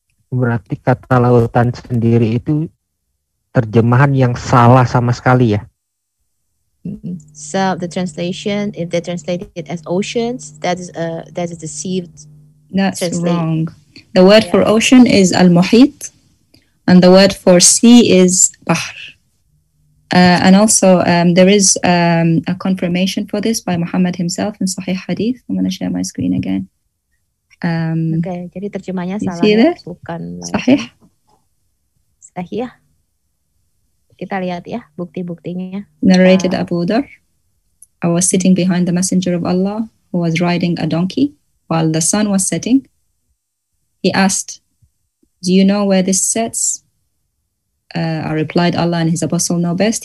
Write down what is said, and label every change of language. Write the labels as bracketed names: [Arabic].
[Indonesian] Berarti kata lautan sendiri itu terjemahan yang salah sama sekali ya. [English] So the translation, if they translate it as oceans, that is deceived. That's wrong. The word for ocean is al-muhit, and the word for sea is bahr. And also, there is a confirmation for this by Muhammad himself in Sahih Hadith. I'm going to share my screen again. [Indonesian] Okay, jadi terjemahnya salah, ya, bukan [Arabic] Sahih. Sahih. [Indonesian] Kita lihat ya bukti-buktinya. [English] Narrated Abu Dhar, I was sitting behind the Messenger of Allah who was riding a donkey while the sun was setting. He asked, "Do you know where this sets?" I replied, "Allah and His Apostle know best."